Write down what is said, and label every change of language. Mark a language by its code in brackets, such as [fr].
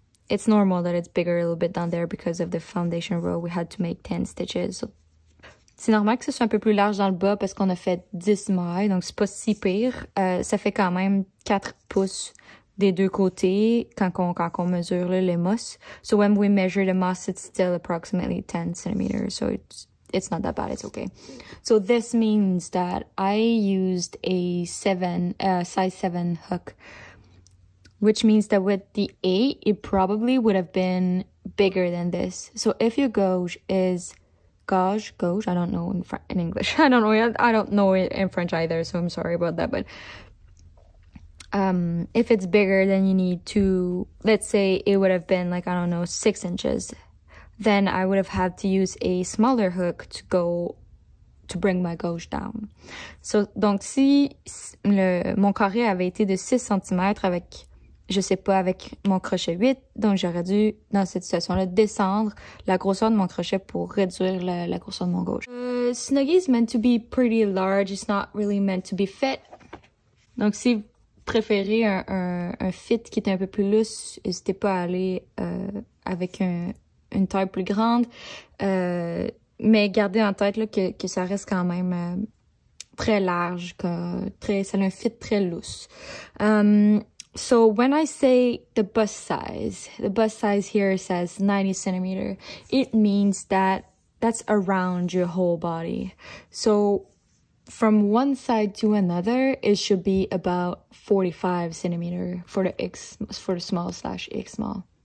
[en] It's normal that it's bigger a little bit down there because of the foundation row. We had to make 10 stitches. [fr] C'est normal que ce soit un peu plus large dans le bas parce qu'on a fait 10 mailles, donc c'est pas si pire. Ça fait quand même 4 pouces des deux côtés quand on mesure là, les mousses. [en] So when we measure the mousse, it's still approximately 10 centimeters. So it's not that bad, it's okay. So this means that I used a size 7 hook, which means that with the 8, it probably would have been bigger than this. So if your gauge is... Gauge, I don't know in English. I don't know it in French either, so I'm sorry about that. But if it's bigger, then you need to, let's say it would have been like, I don't know, 6 inches. Then I would have had to use a smaller hook to bring my gauge down. [fr] So, donc si mon carré avait été de 6 cm avec, je sais pas, avec mon crochet 8, donc j'aurais dû, dans cette situation-là, descendre la grosseur de mon crochet pour réduire la grosseur de mon gauche. [en] Snuggy is meant to be pretty large, it's not really meant to be fit. [fr] Donc si vous préférez un fit qui est un peu plus loose, n'hésitez pas à aller avec une taille plus grande. Mais gardez en tête là, que ça reste quand même très large, ça a un fit très loose. [en] So when I say the bust size here says 90 centimeter, it means that that's around your whole body. So from one side to another, it should be about 45 centimeter for the small/X small.